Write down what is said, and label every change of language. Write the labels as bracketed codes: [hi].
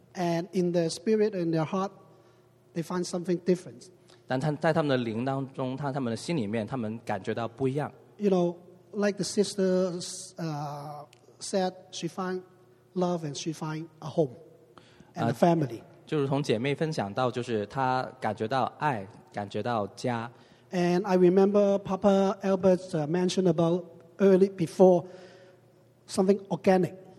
[en] And in their spirit and their heart, they find something different. [zh] 但在他们的灵当中，他们的心里面，他们感觉到不一样。 [en] You know, like the sister said, she find love and she find a home and a family. [zh] 就是从姐妹分享到，就是她感觉到爱，感觉到家。 [en] And I remember Papa Albert mentioned about early before something organic.